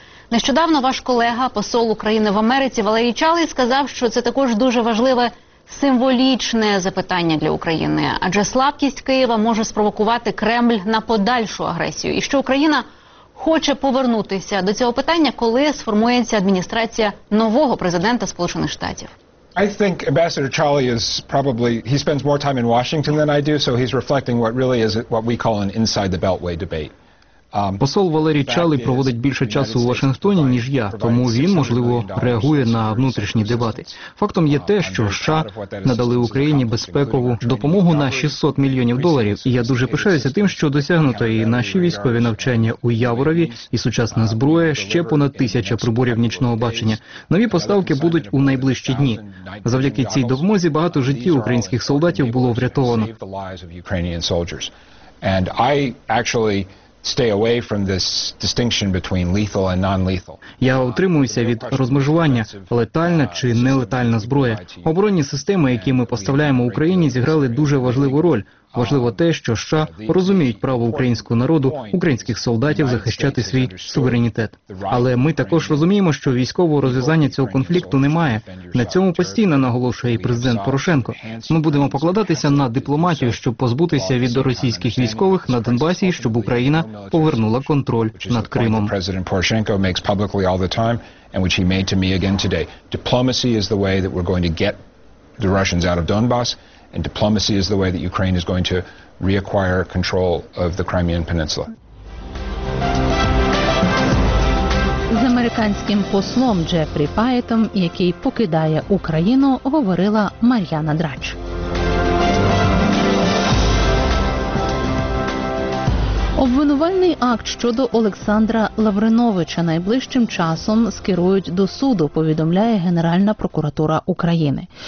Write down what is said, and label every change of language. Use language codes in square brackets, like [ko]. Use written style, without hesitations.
[uk] Нещодавно ваш колега, посол України в Америці Валерій Чалий, сказав, що це також дуже важливе символічне запитання для України. Адже слабкість Києва може спровокувати Кремль на подальшу агресію. І що Україна хоче повернутися до цього питання, коли сформується адміністрація нового президента Сполучених Штатів. [en] I think Ambassador Charlie is probably he spends more time in Washington than I do, so he's reflecting what really is what we call an inside the beltway debate. [uk] Посол Валерій Чалий проводить більше часу у Вашингтоні, ніж я, тому він, можливо, реагує на внутрішні дебати. Фактом є те, що США надали Україні безпекову допомогу на 600 мільйонів доларів, і я дуже пишаюся тим, що досягнуто і наші військові навчання у Яворові, і сучасна зброя, ще понад 1000 приборів нічного бачення. Нові поставки будуть у найближчі дні. Завдяки цій допомозі багато життів українських солдатів було врятовано. [en] Stay away from this distinction between lethal and non-lethal. [uk] Я утримуюся від розмежування летальна чи нелетальна зброя. Оборонні системи, які ми поставляємо Україні, зіграли дуже важливу роль. Важливо те, що США розуміють право українського народу, українських солдатів захищати свій суверенітет. Але ми також розуміємо, що військового розв'язання цього конфлікту немає. На цьому постійно наголошує і президент Порошенко. Ми будемо покладатися на дипломатію, щоб позбутися від російських військових на Донбасі, щоб Україна повернула контроль над Кримом. [en] Президент Порошенко makes publicly all the time and which he made to me again today. Diplomacy is the way that we're going to get the Russians out of Donbas. And diplomacy is the way that Ukraine is going to reacquire control of the Crimean Peninsula. [uk] З американським послом Джефрі Паєтом, який покидає Україну, говорила Мар'яна Драч. Обвинувальний акт щодо Олександра Лавриновича найближчим часом скерують до суду, повідомляє Генеральна прокуратура України.